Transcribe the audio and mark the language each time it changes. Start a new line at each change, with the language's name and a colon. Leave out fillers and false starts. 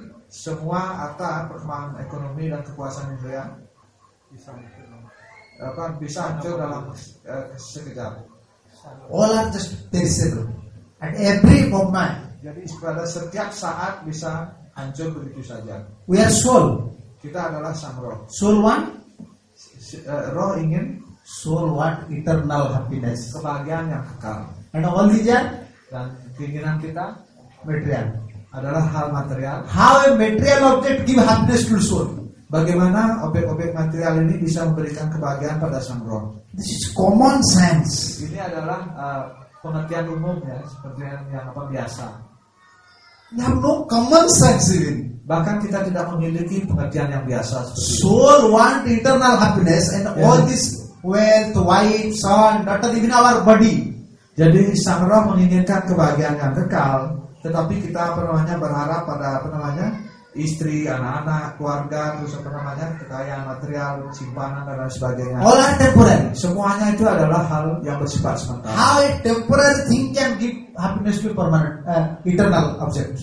Indonesian: Semua harta perkembangan ekonomi dan kekuasaan indria apa bisa hancur dalam sekejap.
English: All are just perishable at every moment.
Indonesian: Jadi pada setiap saat bisa hancur begitu saja.
English: We are soul.
Indonesian: Kita adalah sang roh.
English: Soul one.
Indonesian: Roh ingin
English: soul what eternal happiness,
Indonesian: kebahagiaan yang kekal.
English: And all these
Indonesian: dan keinginan kita
English: material
Indonesian: adalah hal material.
English: How a material object give happiness to soul?
Indonesian: Bagaimana objek-objek material ini bisa memberikan kebahagiaan pada sang roh?
English: This is common sense.
Indonesian: Ini adalah pengertian umum ya, seperti yang apa biasa.
English: We have no common sense even.
Indonesian: Bahkan kita tidak memiliki pengertian yang biasa.
English: Soul want eternal happiness and yeah. All this wealth, wife, son, daughter, even our body.
Indonesian: Jadi sang roh menginginkan kebahagiaan yang kekal, tetapi kita pernahnya berharap pada pernahnya istri, anak-anak, keluarga, terus pernahnya kekayaan material, simpanan dan lain sebagainya.
English: All are temporary.
Indonesian: Semuanya itu adalah hal yang bersifat sementara.
English: How a temporary thing can give happiness to permanent, eternal object.